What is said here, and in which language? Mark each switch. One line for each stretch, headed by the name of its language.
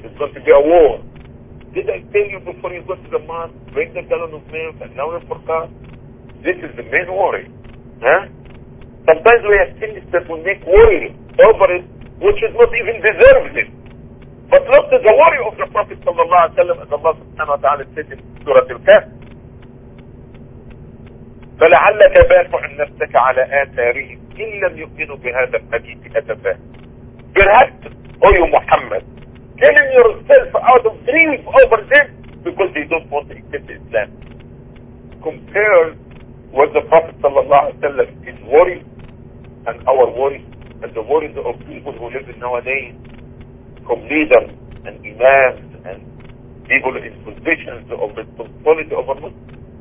English: It's going to be a war. Did I tell you before you go to the mosque, bring the gallon of milk and now you forgot? This is the main worry. Huh? Sometimes we have things that will make worry over it, which is not even deserved it. But look to the worry of the Prophet sallallahu alayhi wa sallam, as Allah subhanahu wa ta'ala said in Surah Al-Kahf.
Arabic: فلعلك بافع نفسك على آثارهم إن لم يؤمنوا بهذا الحديث أسفا.
English: Perhaps, O you Muhammad, killing yourself out of grief over them because they don't want to accept Islam. Compare what the Prophet sallallahu alayhi wa sallam is worried and our worries, and the worries of people who live nowadays, from leaders and imams and people in positions of responsibility over Muslims.